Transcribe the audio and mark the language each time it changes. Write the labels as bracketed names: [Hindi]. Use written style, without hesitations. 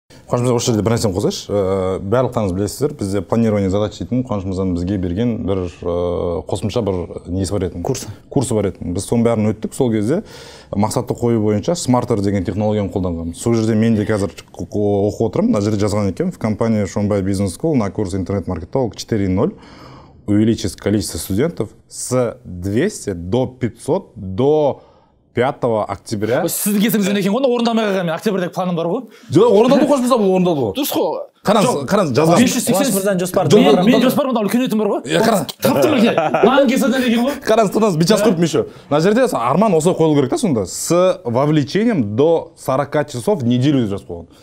[Kazakh] Қуанышымыз осы жерде бір нәрсені қозғайшы. Барлықтарыңыз білесіздер, бізде планирование задач дейтін Қуанышымыздан бізге берген бір қосымша бір несі бар еді. [Russian] Курсы [Kazakh] бар еді. Біз соның бәрін өттік сол кезде. Мақсатты қою бойынша Smarter деген технологияны қолданғанбыз. Сол жерде мен де қазір оқып отырмын. Мына жерде жазған екен, [Russian] в компании Шомбай Бизнес Скул на курс интернет-маркетолог 4.0 увеличить количество студентов с 200 до 500 до 5 октября. [Kazakh] Сіздің кесіңізден екен ғой, орындалмай қалған мен октябрьдегі планым бар ғой. Жоқ, орындалды қойшы, мысалы орындалды ғой. Дұрыс қой. Қараңыз, жазған. 581 жоспар. Мен жоспар мында үлкен өтім бар ғой. Иә, қараңыз. Таптым әке. Маған кесіден екен ғой. Қараңыз, тұрыңыз, бір жас қойыппын еще. Мына жерде арман осы қойылу керек та сонда. [Russian] С вовлечением до 40 часов в неделю [Kazakh] деп жазып қойған.